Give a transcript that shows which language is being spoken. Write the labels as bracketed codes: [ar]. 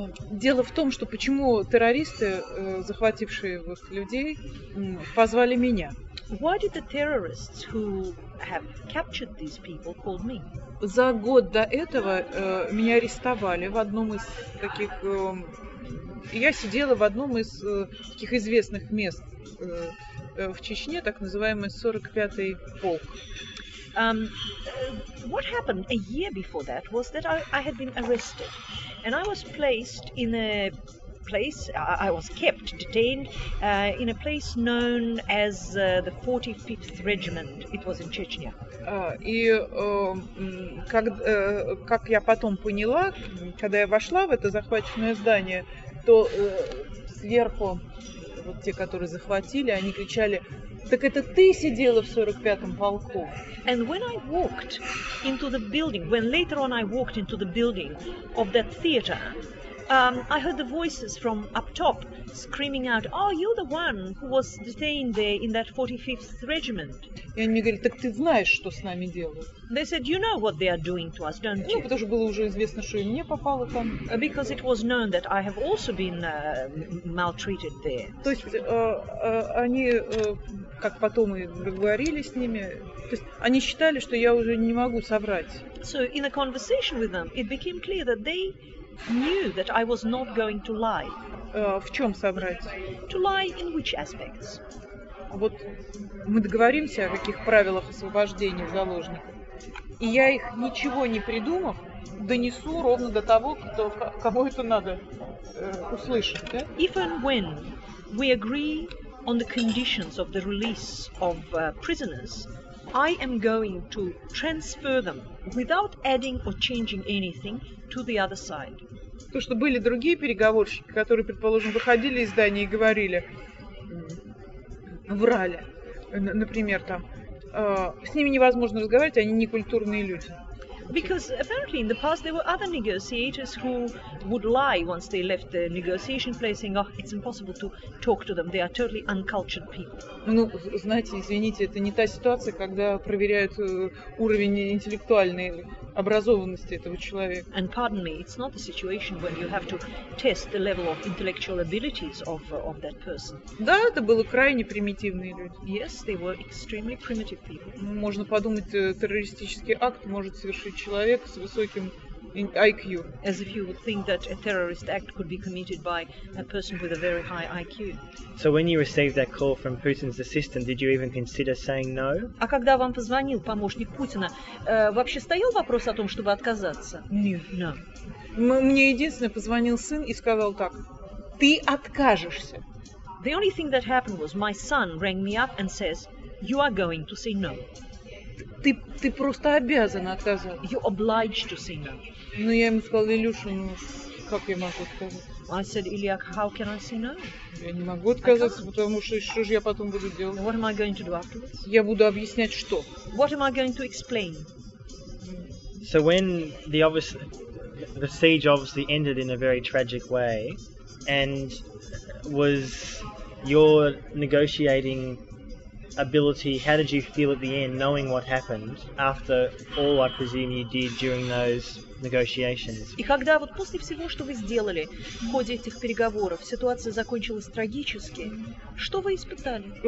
[ru] Дело в том, что почему террористы, захватившие вот людей, позвали меня? [en] Why did the terrorists who have captured these people call me? [ru] За год до этого меня арестовали в одном из таких... Я сидела в одном из таких известных мест в Чечне, так называемый 45-й полк. [en] What happened a year before that was that I had been arrested. And I was placed in a place. I was kept, detained, in a place known as the 45th Regiment. It was in Chechnya. [ru] И как, как я потом поняла, когда я вошла в это захваченное здание, то сверху вот те, которые захватили, они кричали: «Так это ты сидела в 45-м полку?» [en] And when I walked into the building, when later on I walked into the building of that theater, I heard the voices from up top screaming out, "Are you the one who was detained there in that 45th regiment?" [ru] И они мне говорят: "Так ты знаешь, что с нами делают?" [en] They said, "You know what they are doing to us, don't you?" [ru] Ну, потому что было уже известно, что и мне попало там. [en] Because it was known that I have also been maltreated there. [ru] То есть они, как потом и говорили с ними, то есть они считали, что я уже не могу соврать. [en] So in a conversation with them, it became clear that they knew that I was not going to lie. [ru] В чем соврать? [en] To lie in which aspects? [ru] Вот мы договоримся о каких правилах освобождения заложников. И я их, ничего не придумав, донесу ровно до того, кто, кому это надо услышать. Да? [en] If and when we agree on the conditions of the release of prisoners, I am going to transfer them without adding or changing anything to the other side. [ru] То, что были другие переговорщики, которые, предположим, выходили из здания и говорили, врали, например, там, с ними невозможно разговаривать, они некультурные люди. [en] Because apparently in the past there were other negotiators who would lie once they left the negotiation place, saying, "Oh, it's impossible to talk to them. They are totally uncultured people." [ru] Ну, знаете, извините, это не та ситуация, когда проверяют уровень интеллектуальной образованности этого человека. [en] And pardon me, it's not the situation when you have to test the level of intellectual abilities of that person. [ru] Да, это были крайне примитивные люди. [en] Yes, they were extremely primitive people. [ru] Можно подумать, террористический акт может совершить человек с высоким IQ. [en] As if you would think that a terrorist act could be committed by a person with a very high IQ. So when you received that call from Putin's assistant, did you even consider saying no? [ru] А когда вам позвонил помощник Путина, вообще стоял вопрос о том, чтобы отказаться? Нет. [en] No. [ru] Мне единственное позвонил сын и сказал так: ты откажешься. [en] The only thing that happened was my son rang me up and says, you are going to say no. [ru] Ты просто обязана отказаться. [en] You're obliged to say no. [ru] Ну, я ему сказала: Илюша, ну, как я могу отказаться? [en] I said, Ilya, how can I say no? [ru] Я не могу отказаться, потому что же я потом буду делать? [en] What am I going to do afterwards? [ru] Я буду объяснять, что. [en] What am I going to explain? So when the siege obviously ended in a very tragic way, and was your negotiating ability, how did you feel at the end, knowing what happened, after all I presume you did during those negotiations? [ru] И когда вот после всего, что вы сделали в ходе этих переговоров, ситуация закончилась трагически, что вы испытали?